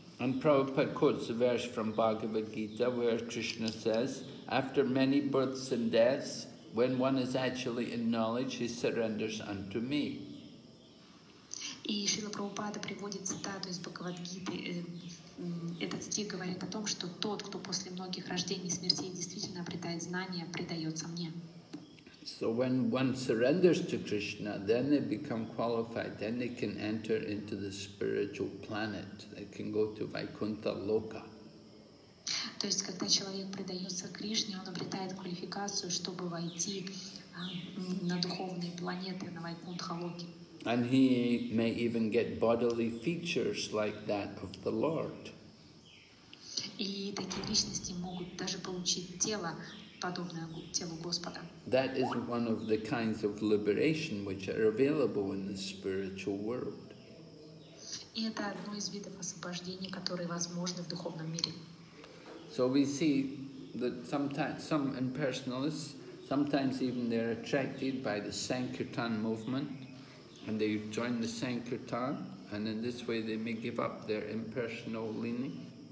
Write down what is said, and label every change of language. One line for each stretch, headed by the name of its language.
English: And Prabhupada quotes a verse from Bhagavad Gita, where Krishna says, after many births and deaths, when one is actually in knowledge, he surrenders unto me.
Russian: И Шрила Прабхупада приводит цитату из Бхагавад-гиты. Этот стих говорит о том, что тот, кто после многих рождений и смертей действительно обретает знания, предается мне.
English: So when one surrenders to Krishna, then they become qualified, then they can enter into the spiritual planet. They can go to Vaikuntha Loka.
Russian: То есть, когда человек предается Кришне, он обретает квалификацию, чтобы войти на духовные планеты, на Вайкунтха Локи.
English: And he may even get bodily features like that of the Lord.
Russian: И такие личности могут даже получить тело, подобное телу Господа.
English: That is one of the kinds of liberation which are available in the spiritual world.
Russian: И это одно из видов освобождения, которое возможно в духовном мире.
English: So we see that sometimes some impersonalists, sometimes even they're attracted by the Sankirtan movement. And they join the Sankirtan, and in this way they may give up their impersonal leaning.